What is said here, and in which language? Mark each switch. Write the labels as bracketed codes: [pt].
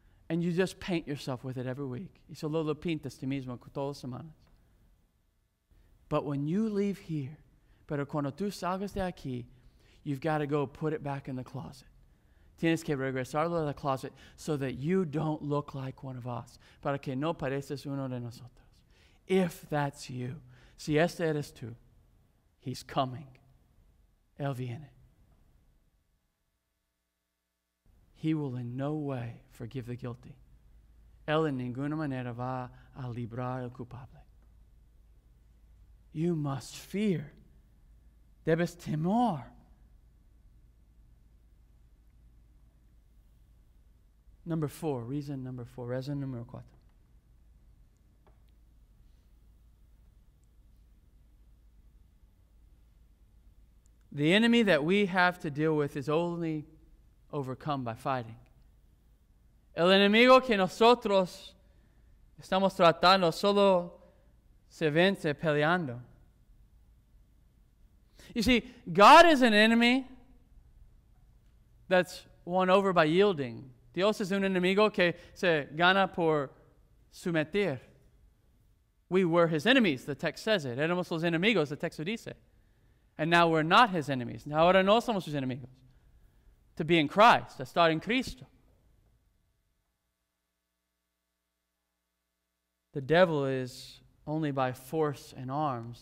[en] And you just paint yourself with it every week. [es] Y solo lo pintas ti mismo todas las semanas. [en] But when you leave here, [es] pero cuando tú salgas de aquí, [en] you've got to go put it back in the closet. [es] Tienes que regresarlo a la closet [en] so that you don't look like one of us. [es] Para que no pareces uno de nosotros. [en] If that's you, [es] si este eres tú, [en] He's coming. [es] Él viene. [en] He will in no way forgive the guilty. [es] Él en ninguna manera va a librar el culpable. [en] You must fear. [es] Debes temor. [en] Number four, reason number four, reason number cuatro. The enemy that we have to deal with is only overcome by fighting. [es] El enemigo que nosotros estamos tratando solo se vence peleando. [en] You see, God is an enemy that's won over by yielding. [es] Dios es un enemigo que se gana por someter. [en] We were His enemies, the text says it. [es] Éramos los enemigos, [en] the text dice. And now we're not His enemies. [es] Ahora no somos sus enemigos. [en] To be in Christ, to start in Cristo. The devil is only by force and arms.